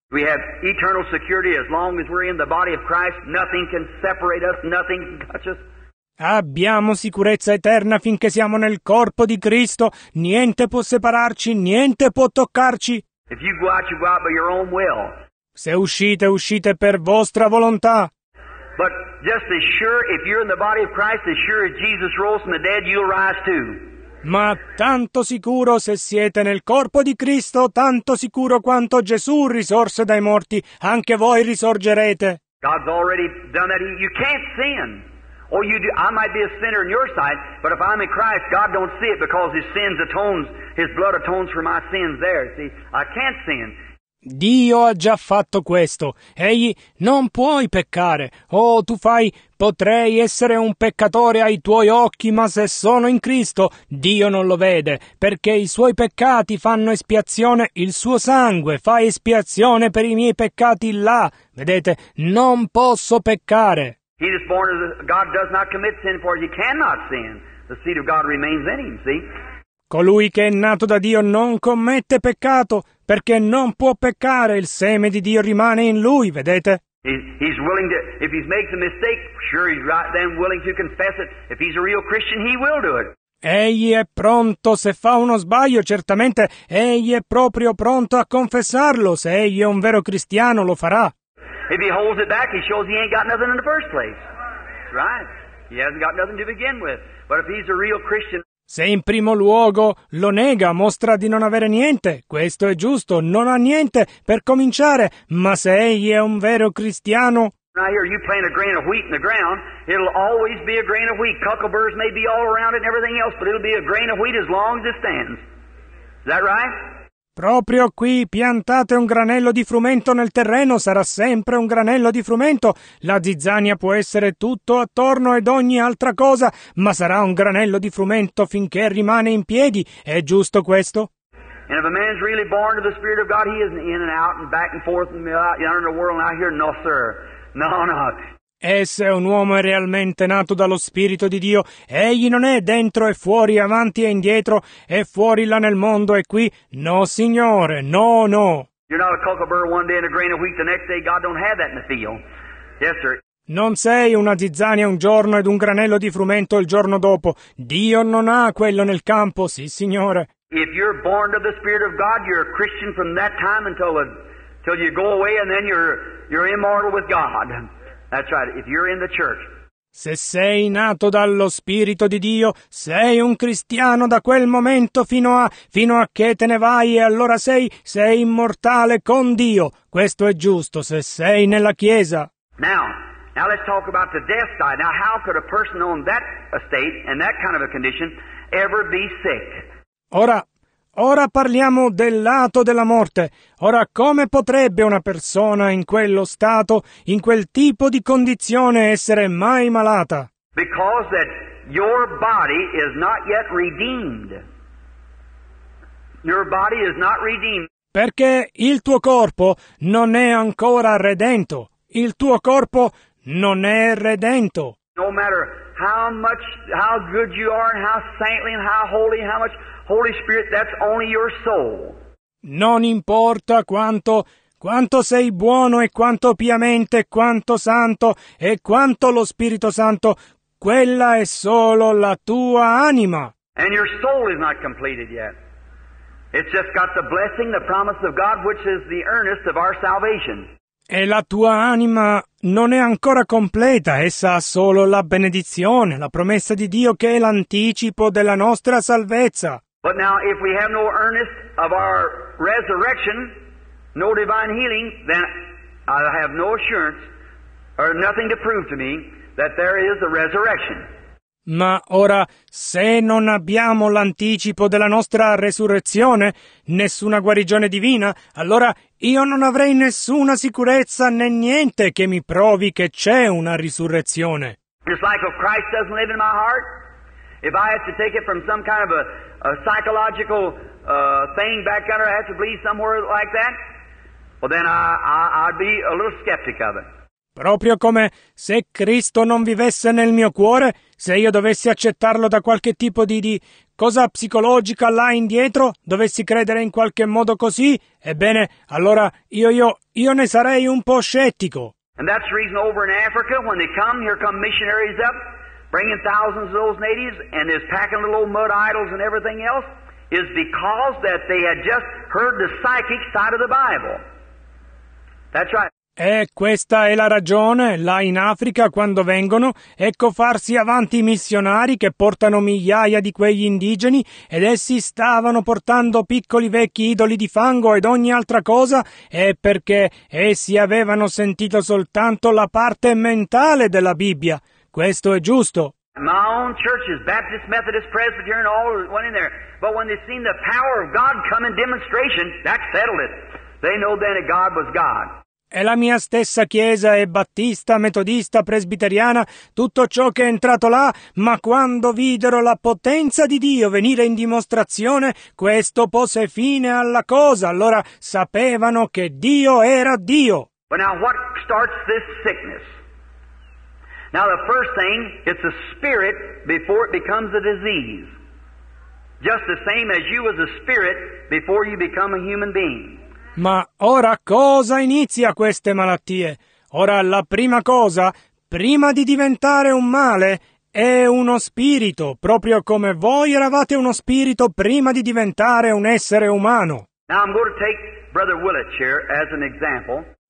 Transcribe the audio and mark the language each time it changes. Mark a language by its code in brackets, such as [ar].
[en] We have eternal security as long as we're in the body of Christ. Nothing can separate us, nothing can touch us. [it] Abbiamo sicurezza eterna finché siamo nel corpo di Cristo. Niente può separarci, niente può toccarci. [en] If you go out by your own will. [it] Se uscite, uscite per vostra volontà. [en] But just as sure if you're in the body of Christ, as sure as Jesus rose from the dead, you'll rise too. [it] Ma tanto sicuro se siete nel corpo di Cristo, tanto sicuro quanto Gesù risorse dai morti, anche voi risorgerete. [en] God's already done that. You can't sin. Oh, you do. I might be a sinner in your sight, but if I'm in Christ, God don't see it because His sins atones, His blood atones for my sins there. See, I can't sin. [it] Dio ha già fatto questo. Egli non puoi peccare. Oh, tu fai, potrei essere un peccatore ai tuoi occhi, ma se sono in Cristo, Dio non lo vede, perché i suoi peccati fanno espiazione, il suo sangue fa espiazione per i miei peccati là. Vedete, non posso peccare. [en] He is born of God, does not commit sin, for he cannot sin. The seed of God remains in him, see? [it] Colui che è nato da Dio non commette peccato, perché non può peccare, il seme di Dio rimane in lui, vedete? [en] He's willing to, if he makes a mistake, sure he's right then willing to confess it. If he's a real Christian, he will do it. [it] Egli è pronto, se fa uno sbaglio, certamente, egli è proprio pronto a confessarlo. Se egli è un vero cristiano, lo farà. [en] If he holds it back, he shows he ain't got nothing in the first place. That's right. He hasn't got nothing to begin with. But if he's a real Christian... [it] Se in primo luogo lo nega, mostra di non avere niente. Questo è giusto, non ha niente per cominciare. Ma se egli è un vero cristiano... [en] Now here you plant a grain of wheat in the ground, it'll always be a grain of wheat. Cuckleburrs may be all around it and everything else, but it'll be a grain of wheat as long as it stands. Is that right? [it] Proprio qui piantate un granello di frumento nel terreno, sarà sempre un granello di frumento. La zizzania può essere tutto attorno ed ogni altra cosa, ma sarà un granello di frumento finché rimane in piedi. È giusto questo? [en] And if a man's really born of the Spirit of God, he isn't in and out and back and forth and out yonder in the world and out here. No, sir. No, no. [it] E se un uomo è realmente nato dallo Spirito di Dio, egli non è dentro e fuori, avanti e indietro, e fuori là nel mondo e qui. No, signore, no, no. [en] You're not a cuckleburr one day and a grain of wheat the next day. God don't have that in the field. Yes, sir. [it] Non sei una zizzania un giorno ed un granello di frumento il giorno dopo. Dio non ha quello nel campo, sì, signore. [en] If you're born of the Spirit of God, you're a Christian from that time until you go away and then you're immortal with God. That's right, if you're in the church. [it] Se sei nato dallo Spirito di Dio, sei un cristiano da quel momento fino a che te ne vai, e allora sei immortale con Dio. Questo è giusto se sei nella Chiesa. [en] Now let's talk about the death side. Now how could a person on that estate and that kind of a condition ever be sick? [it] Ora parliamo del lato della morte. Ora, come potrebbe una persona in quello stato, in quel tipo di condizione, essere mai malata? [en] Because that your body is not yet redeemed. Your body is not redeemed. [it] Perché il tuo corpo non è ancora redento. Il tuo corpo non è redento. [en] No matter how much, how good you are, and how saintly, and how holy, how much... Holy Spirit, that's only your soul. [it] Non importa quanto sei buono e quanto piamente, quanto santo e quanto lo Spirito Santo, quella è solo la tua anima. [en] And your soul is not completed yet. It's just got the blessing, the promise of God, which is the earnest of our salvation. [it] E la tua anima non è ancora completa, essa ha solo la benedizione, la promessa di Dio che è l'anticipo della nostra salvezza. [en] But now, if we have no earnest of our resurrection, no divine healing, then I have no assurance or nothing to prove to me that there is a resurrection. [it] Ma ora, se non abbiamo l'anticipo della nostra resurrezione, nessuna guarigione divina, allora io non avrei nessuna sicurezza né niente che mi provi che c'è una risurrezione. [en] Just like if Christ doesn't live in my heart, if I have to take it from some kind of a psychological thing back under, I have to believe somewhere like that, well then I'd be a little skeptic of it. [it] Proprio come se Cristo non vivesse nel mio cuore, se io dovessi accettarlo da qualche tipo di cosa psicologica là indietro, dovessi credere in qualche modo così, ebbene, allora io ne sarei un po' scettico. [en] And that's the reason over in Africa, when they come, here come missionaries up, bringing thousands of those natives, and they're packing little old mud idols and everything else, is because that they had just heard the psychic side of the Bible. That's right. [it] E questa è la ragione, là in Africa, quando vengono, ecco farsi avanti i missionari che portano migliaia di quegli indigeni, ed essi stavano portando piccoli vecchi idoli di fango ed ogni altra cosa, è perché essi avevano sentito soltanto la parte mentale della Bibbia. Questo è giusto. [en] My own churches, Baptist, Methodist, Presbyterian, all went in there. But when they seen the power of God come in demonstration, that settled it. They know then that God was God. [it] E la mia stessa chiesa è battista, metodista, presbiteriana, tutto ciò che è entrato là, ma quando videro la potenza di Dio venire in dimostrazione, questo pose fine alla cosa, allora sapevano che Dio era Dio. [en] But now what starts this sickness? Now the first thing, it's a spirit before it becomes a disease. Just the same as you as a spirit before you become a human being. [it] Ma ora cosa inizia queste malattie? Ora la prima cosa, prima di diventare un male, è uno spirito, proprio come voi eravate uno spirito prima di diventare un essere umano. [en] Now I'm going to take Brother Willett here as an example.